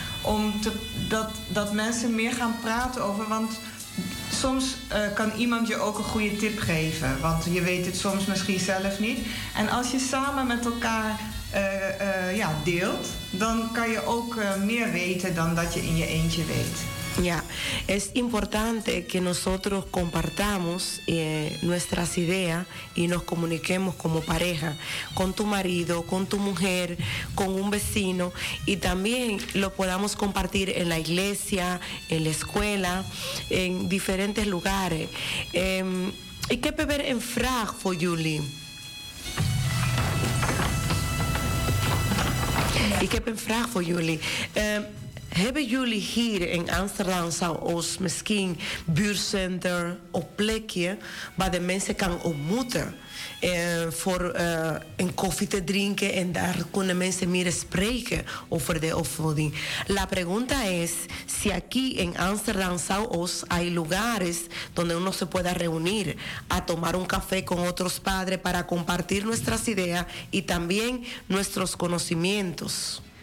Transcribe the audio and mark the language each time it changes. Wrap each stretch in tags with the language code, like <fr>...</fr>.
<nl>Omdat mensen meer gaan praten over. Want soms kan iemand je ook een goede tip geven. Want je weet het soms misschien zelf niet. En als je samen met elkaar deelt, dan kan je ook meer weten dan dat je in je eentje weet.</nl> <es>Ja, es importante que nosotros compartamos nuestras ideas y nos comuniquemos como pareja, con tu marido, con tu mujer, con un vecino, y también lo podamos compartir en la iglesia, en la escuela, en diferentes lugares.</es> <nl>Ik heb weer een vraag voor jullie. Ik heb een vraag voor jullie. Hebben jullie hier in Amsterdam zoals misschien buurcenter of plekje waar de mensen kan ontmoeten voor een koffie te drinken en daar kunnen mensen meer spreken over de opvoeding?</nl> <es>La pregunta es si aquí en Amsterdam zoals hay lugares donde uno se pueda reunir a tomar un café con otros padres para compartir nuestras ideas y también nuestros conocimientos.</es>